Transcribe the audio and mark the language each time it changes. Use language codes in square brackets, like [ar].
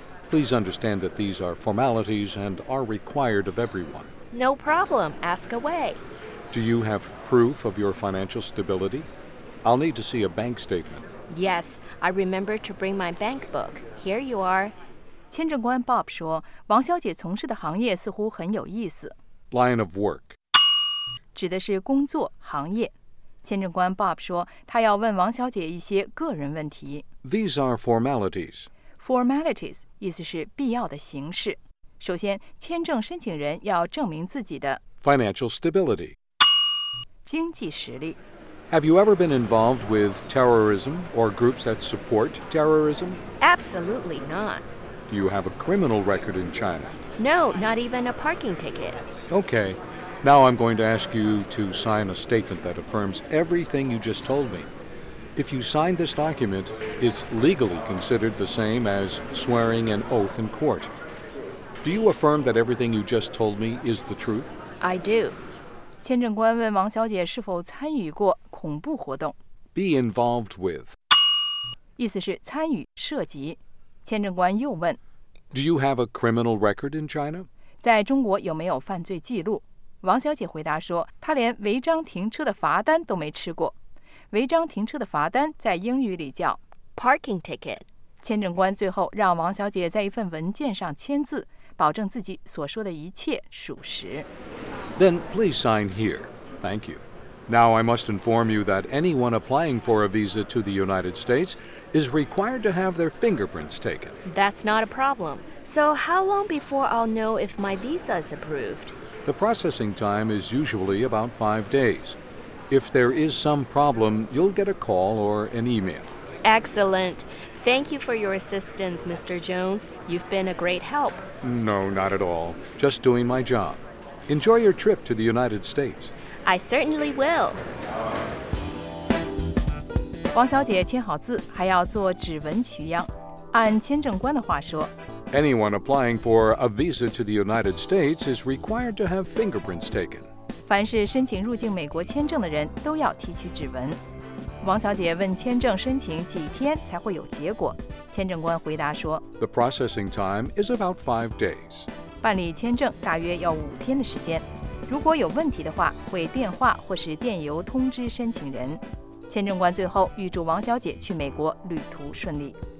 [en] Please understand that these are formalities and are required of everyone. No problem. Ask away. Do you have proof of your financial stability? I'll need to see a bank statement. Yes, I remember to bring my bank book. Here you are. [zh] 签证官 Bob 说，王小姐从事的行业似乎很有意思。 [en] Line of work. [zh] 指的是工作行业。签证官 Bob 说，他要问王小姐一些个人问题。 [en] These are formalities. [zh] Formalities 意思是必要的形式。首先，签证申请人要证明自己的 [en] financial stability [zh] 经济实力。 [en] Have you ever been involved with terrorism or groups that support terrorism? Absolutely not. Do you have a criminal record in China? No, not even a parking ticket. Okay, now I'm going to ask you to sign a statement that affirms everything you just told me. If you sign this document, it's legally considered the same as swearing an oath in court. Do you affirm that everything you just told me is the truth? I do. [zh] 签证官问王小姐是否参与过恐怖活动。 [en] Be involved with. [zh] 意思是参与、涉及。签证官又问。 [en] Do you have a criminal record in China? [zh] 在中国有没有犯罪记录？王小姐回答说，她连违章停车的罚单都没吃过。违章停车的罚单在英语里叫 [en] parking ticket。 [zh] 签证官最后让王小姐在一份文件上签字。保证自己所说的一切属实。 [en] Then please sign here. Thank you. Now I must inform you that anyone applying for a visa to the United States is required to have their fingerprints taken. That's not a problem. So how long before I'll know if my visa is approved? The processing time is usually about 5 days. If there is some problem, you'll get a call or an email. Excellent. Thank you for your assistance, Mr. Jones. You've been a great help. No, not at all. Just doing my job. Enjoy your trip to the United States. I certainly will. [zh] 王小姐签好字，还要做指纹取样。按签证官的话说， [en] Anyone applying for a visa to the United States is required to have fingerprints taken. [zh] 凡是申请入境美国签证的人都要提取指纹。王小姐问签证申请几天才会有结果，签证官回答说， [en] The processing time is about 5 days. [zh] 办理签证大约要5天的时间，如果有问题的话，会电话或是电邮通知申请人。签证官最后预祝王小姐去美国旅途顺利。